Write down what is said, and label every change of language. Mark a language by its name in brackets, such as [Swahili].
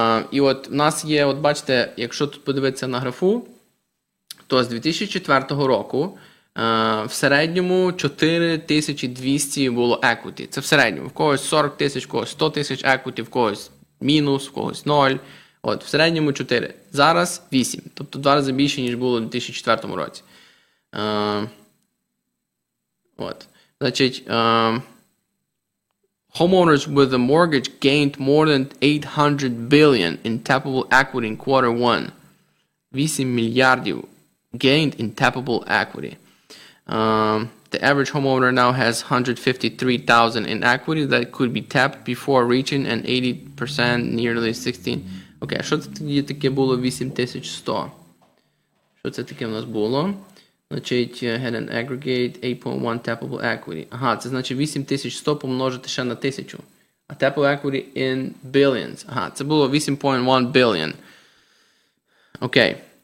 [Ukrainian] І от в нас є, от бачите, якщо тут подивитися на графу, то з 2004 року в середньому 4200 було equity. Це в середньому. В когось 40 тисяч, в когось 100 тисяч equity, в когось мінус, в когось 0. От, в середньому 4. Зараз 8. Тобто 2 рази більше, ніж було в 2004 році. От. Значить, [English] homeowners with a mortgage gained more than 800 billion in tappable equity in quarter one. [Ukrainian] 8 мільярдів [English] gained in tappable equity. The average homeowner now has 153,000 in equity that could be tapped before reaching an 80%, nearly 16. [Ukrainian] Окей, що це тоді таке було 8100? Що це таке в нас було? Значить, [English] had an aggregate 8.1 tappable equity. [Ukrainian] Ага, це значить 8100 помножити ще на 1000. А [English] tappable equity in billions. [Ukrainian] Ага, це було [English] 8.1 billion. [Ukrainian] Окей.